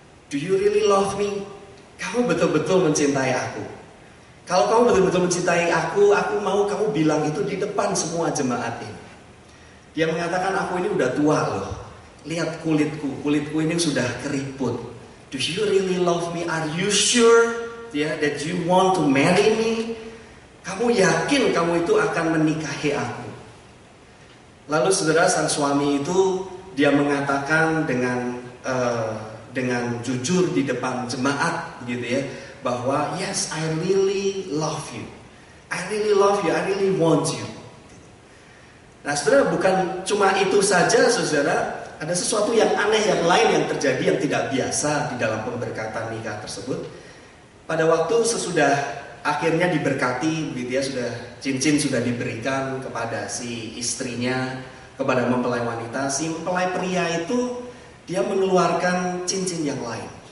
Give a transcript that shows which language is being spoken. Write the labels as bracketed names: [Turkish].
[English] Do you really love me? [Indonesian] Kamu betul-betul mencintai aku. Kalau kamu betul-betul mencintai aku mau kamu bilang itu di depan semua jemaat ini. Dia mengatakan, aku ini udah tua loh. Lihat kulitku ini sudah keriput. [English] Do you really love me? Are you sure that you want to marry me? [Indonesian] Kamu yakin kamu itu akan menikahi aku? Lalu saudara, sang suami itu, dia mengatakan dengan jujur di depan jemaat gitu ya, bahwa [English] yes, I really love you. I really love you, I really want you. [Indonesian] Nah, saudara, bukan cuma itu saja, saudara. Ada sesuatu yang aneh yang lain yang terjadi, yang tidak biasa di dalam pemberkatan nikah tersebut. Pada waktu sesudah akhirnya diberkati gitu ya, sudah cincin sudah diberikan kepada si istrinya, kepada mempelai wanita, si mempelai pria itu dia mengeluarkan cincin yang lain.